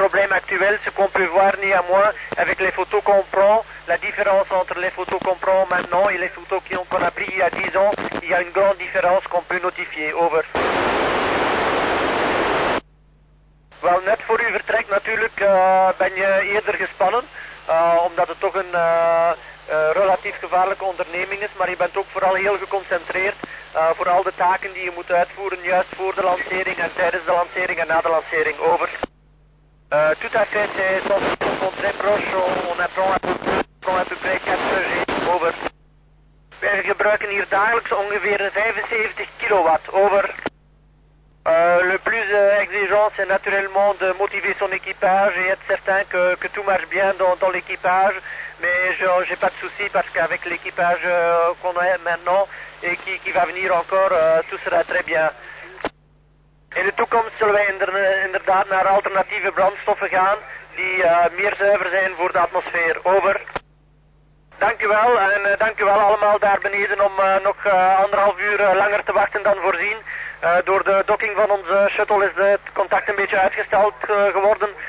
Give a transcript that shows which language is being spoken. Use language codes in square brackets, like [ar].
[fr] actuelle, ce qu'on peut voir, ni à moi, avec les photos qu'on prend, la différence entre les photos qu'on prend maintenant et les photos qu'on a prises il y a 10 ans, il y a une grande différence qu'on peut notifier. [en] Over. [nl] Wel, net voor uw vertrek natuurlijk ben je eerder gespannen, omdat het toch een relatief gevaarlijke onderneming is, maar je bent ook vooral heel geconcentreerd voor al de taken die je moet uitvoeren, juist voor de lancering en tijdens de lancering en na de lancering. [en] Over. [fr] Tout à fait, c'est un peu très proche, on apprend à peu près 4G. [en] Over. [nl] Wij gebruiken hier dagelijks ongeveer 75 kilowatt. [en] Over. [fr] Le plus exigeant, c'est naturellement de motiver son équipage et être certain que tout marche bien dans l'équipage. Mais j'ai pas de soucis parce qu'avec l'équipage qu'on a maintenant et qui va venir encore, tout sera très bien. [nl] In de toekomst zullen wij inderdaad naar alternatieve brandstoffen gaan die meer zuiver zijn voor de atmosfeer. Over. Dank u wel en dank u wel allemaal daar beneden om nog anderhalf uur langer te wachten dan voorzien. Door de docking van onze shuttle is het contact een beetje uitgesteld geworden.